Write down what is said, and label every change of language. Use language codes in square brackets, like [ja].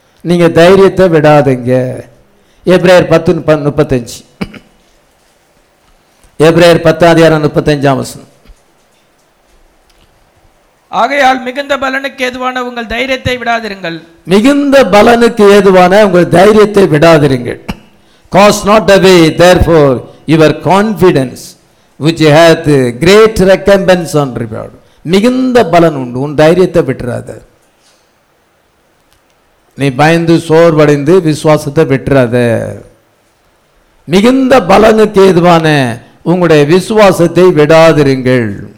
[ta] நீங்கள் தைரியத்தை விடாதீங்க. எப்ரேயர் 10:35, எபிரேயர் 10:35 வசனம், ஆகையால் மிகுந்த பலனுக்கு ஏதுவான உங்கள் தைரியத்தை விடாதிருங்கள். மிகுந்த பலனுக்கு ஏதுவான உங்கள் தைரியத்தை விடாதிருங்கள். [en] Cast not away therefore your confidence which hath great recompense on reward. [ta] மிகுந்த பலன் உண்டு, உன் தைரியத்தை விட்டுறாத, நீ பயந்து சோர்வடைந்து விசுவாசத்தை விட்டுறாத. மிகுந்த பலனுக்கு ஏதுவான உங்களுடைய விசுவாசத்தை விடாதிருங்கள்.